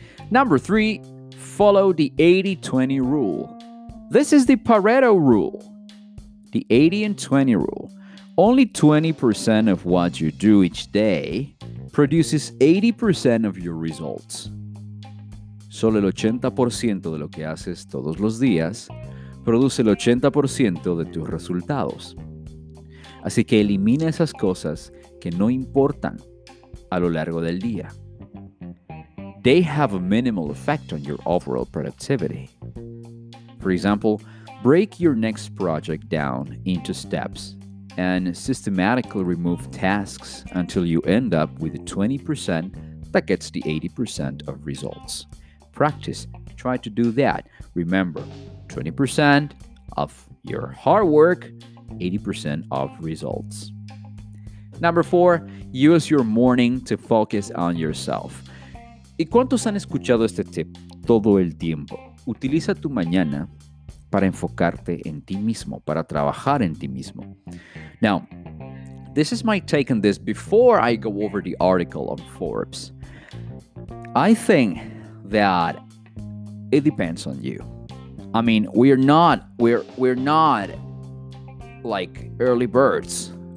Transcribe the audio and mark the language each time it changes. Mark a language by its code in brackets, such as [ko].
[en] Number 3, follow the 80-20 rule. This is the Pareto rule. The 80-20 rule. Only 20% of what you do each day produces 80% of your results. [es] Solo el 80% de lo que haces todos los días produce el 80% de tus resultados. Así que elimina esas cosas que no importan a lo largo del día. [en] They have a minimal effect on your overall productivity. For example, break your next project down into steps and systematically remove tasks until you end up with the 20% that gets the 80% of results. Practice. Try to do that. Remember, 20% of your hard work, 80% of results. Number 4, use your morning to focus on yourself. [es] ¿Y cuántos han escuchado este tip todo el tiempo? Utiliza tu mañana para enfocarte en ti mismo, para trabajar en ti mismo. [en] Now, this is my take on this before I go over the article on Forbes. I think that it depends on you. I mean, we're not like early birds.